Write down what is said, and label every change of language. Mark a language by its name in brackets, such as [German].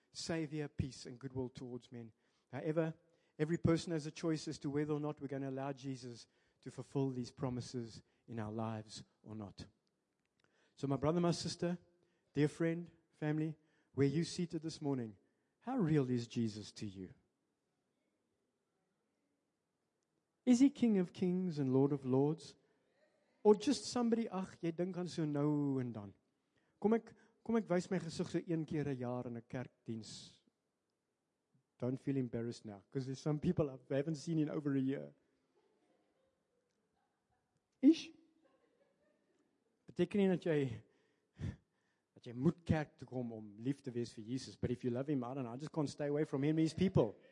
[English] Savior, peace, and goodwill towards men. However, every person has a choice as to whether or not we're going to allow Jesus to fulfill these promises in our lives or not. So my brother, my sister, dear friend, family, where you're seated this morning, how real is Jesus to you? Is he King of Kings and Lord of Lords? Or just somebody, [Afrikaans] ach, jy dink aan so nou en dan. Kom ek wys my gesig so een keer 'n jaar in 'n kerkdiens. [English] Don't feel embarrassed now, because there's some people I haven't seen in over a year. Ish? [Afrikaans] Beteken nie dat jy moet kerk toe kom om lief te wees vir Jesus, [English] but if you love him, I don't know, I just can't stay away from him and his people.